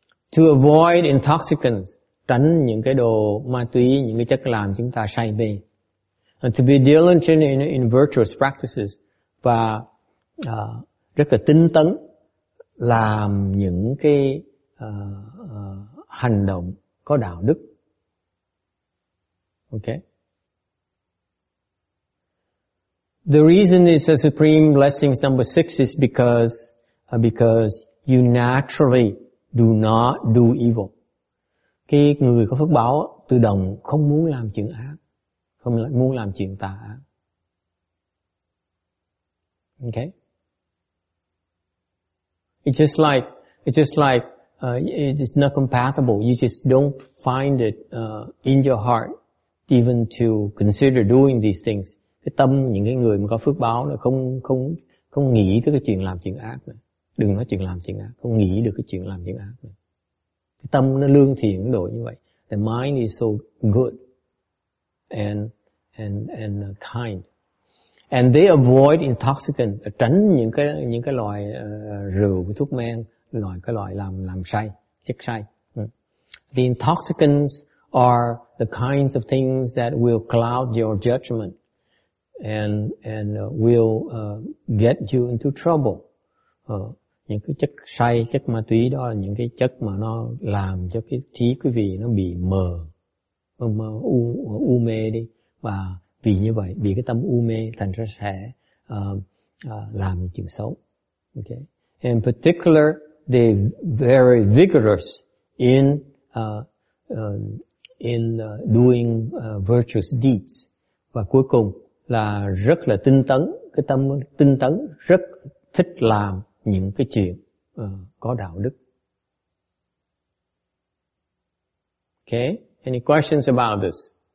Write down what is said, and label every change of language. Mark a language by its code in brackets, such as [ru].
[en] To avoid intoxicants, [vi] tránh những cái đồ ma túy, những cái chất làm chúng ta say mê. [en] And to be diligent in virtuous practices, [vi] và rất là tinh tấn làm những cái hành động có đạo đức. [en] Okay. The reason is a supreme blessings number 6 is because you naturally do not do evil. [vi] Cái người có phước báo tự động không muốn làm chuyện ác, không muốn làm chuyện tà ác. [en] Okay. It's not compatible. You just don't find it in your heart even to consider doing these things. [vi] Cái tâm những cái người mà có phước báo là không nghĩ tới cái chuyện làm chuyện ác này. Đừng nói chuyện làm chuyện ác, không nghĩ được cái chuyện làm chuyện ác này. Cái tâm nó lương thiện độ như vậy. [en] The mind is so good and kind. And they avoid intoxicant, [vi] tránh những cái loại rượu với thuốc men, loại làm say, chất say. [en] The intoxicants are the kinds of things that will cloud your judgment and will get you into trouble. [vi] Những cái chất say, chất ma túy đó là những cái chất mà nó làm cho cái trí quý vị nó bị mờ u mê đi. Và vì như vậy, vì cái tâm u mê thành ra sẽ làm chuyện xấu. [en] Okay. In particular, they very vigorous in doing virtuous deeds. [vi] Và cuối cùng là rất là tinh tấn, cái tâm tinh tấn rất thích làm những cái chuyện có đạo đức. [en] Okay, any questions about this?